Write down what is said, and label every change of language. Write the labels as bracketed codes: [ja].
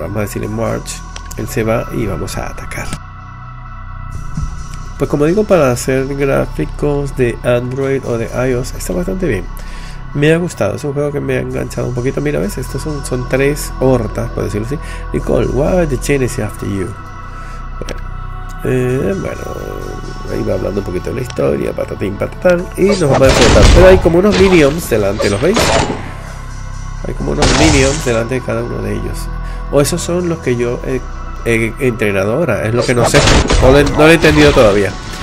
[es] Vamos a decirle march, él se va y vamos a atacar. Pues como digo, para hacer gráficos de Android o de iOS está bastante bien. Me ha gustado, es un juego que me ha enganchado un poquito. Mira, ves, estos son tres hortas, por decirlo así. [en] Nicole, why are the Chinese after you? [es] Bueno, ahí va hablando un poquito de la historia, patatín, patatán. Y nos vamos a enfrentar. Pero hay como unos minions delante, ¿los veis? Hay como unos minions delante de cada uno de ellos. O esos son los que yo entrenadora, es lo que no sé, no lo he entendido todavía.